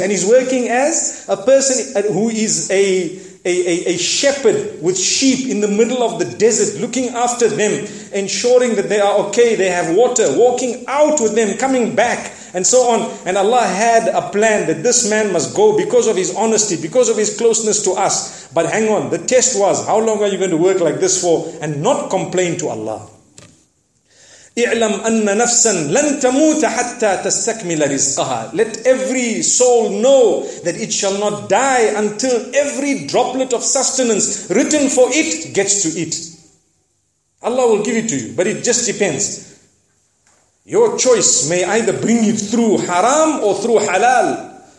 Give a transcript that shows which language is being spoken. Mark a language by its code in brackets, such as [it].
[en] And he's working as a person who is a shepherd with sheep in the middle of the desert, looking after them, ensuring that they are okay, they have water, walking out with them, coming back, and so on. And Allah had a plan that this man must go because of his honesty, because of his closeness to us. But hang on, the test was, how long are you going to work like this for and not complain to Allah? [ar] اعلم أن نفسا لن تموت حتى تستكمل رزقها. [en] Let every soul know that it shall not die until every droplet of sustenance written for it gets to it. Allah will give it to you, but it just depends. Your choice may either bring it through haram or through halal.